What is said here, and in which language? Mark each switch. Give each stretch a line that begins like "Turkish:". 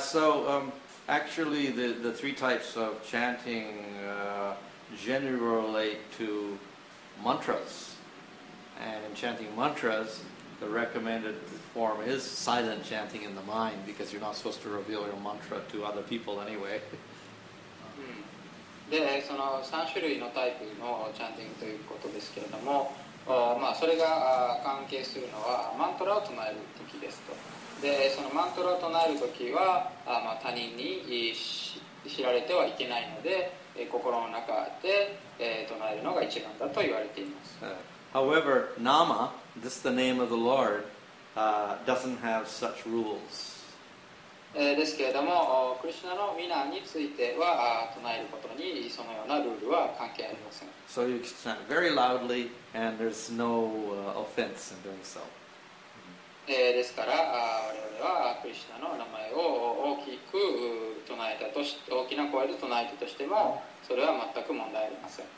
English: So actually, the three types of chanting generally relate to mantras. And in chanting mantras, the recommended form is silent chanting in the mind, because you're not supposed to reveal your mantra to other people anyway.
Japanese: で、その3種類のタイプのチャンティングということですけれども、まあ、それが関係するのはマントラを唱えるときですと。で、そのマントラを唱えるときは、まあ、他人に知られてはいけないので、心の中で唱えるのが一番だと言われています。
English: However, Nama, this is the name of the Lord, doesn't have such rules.
Japanese: ですけれども、クリシュナの名については、唱えることにそのようなルールは関係ありません。
English: So you can chant very loudly, and there's no offense in doing so.
Japanese: ですから、我々はクリシュナの名前を大きく唱えたとし、大きな声で唱えたとしても、それは全く問題ありません。